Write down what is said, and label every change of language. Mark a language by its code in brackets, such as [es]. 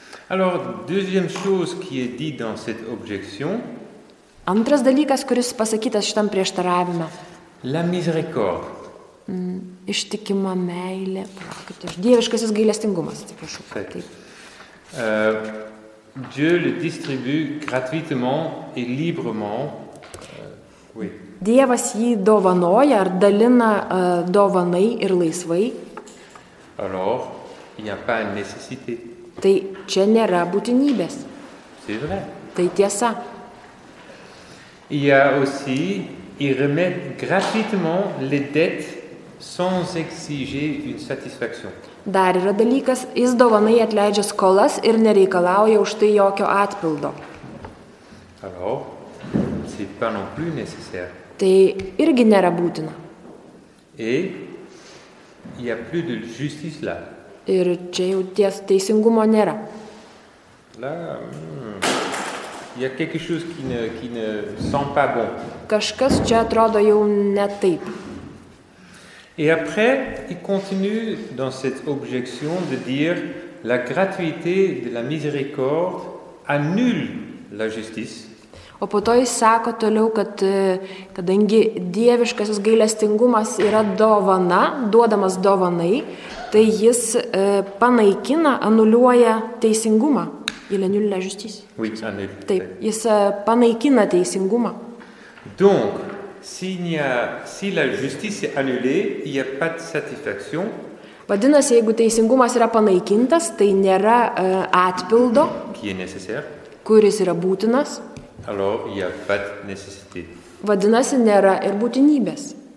[fr] Alors deuxième chose qui est dit dans cette objection. [lt] Antras dalykas, kuris pasakytas šitam prieštaravime. [fr] La miséricorde. [lt] Ištikima meilė, prakaitas, dieviškasis gailestingumas, atsiprašau. Taip. [fr] Dieu le distribue gratuitement et librement. Oui. [lt] Dievas jį dovanoja ar dalina dovanai ir laisvai. [fr] Alors, il n'y a pas nécessité. [lt] Tai čia nėra būtinybės. [fr] C'est vrai. [lt] Tai tiesa. [fr] Il y a aussi, il remet gratuitement les dettes sans exiger une satisfaction. [lt] Dar yra dalykas, jis dovanai atleidžia skolas ir nereikalauja už tai jokio atpildo. [fr] Alors, c'est pas non plus nécessaire. [lt] Tai irgi nėra būtina. [fr] Et il y a plus de justice là. [lt] Ir čia jau teisingumo nėra. [fr] Là, il y a quelque chose qui ne sent pas bon. [lt] Kažkas čia atrodo jau ne taip. [fr] Et après, il continue dans cette objection de dire la gratuité de la miséricorde annule la justice. [lt] O po to jis sako toliau, kad kadangi dieviškasis gailestingumas yra dovana, duodamas dovanai, tai jis panaikina, anuliuoja teisingumą. [fr] Il annule la justice. Oui, annule. [lt] Taip, jis panaikina teisingumą. [fr] Donc, si la justice est annulée, il n'y a pas de satisfaction. [lt] Vadinasi, jeigu teisingumas yra panaikintas, tai nėra atpildo, [fr] qui est nécessaire. [lt] Kuris yra būtinas. [fr] Alors, il n'y a pas de nécessité. [lt] Vadinasi, nėra ir būtinybės.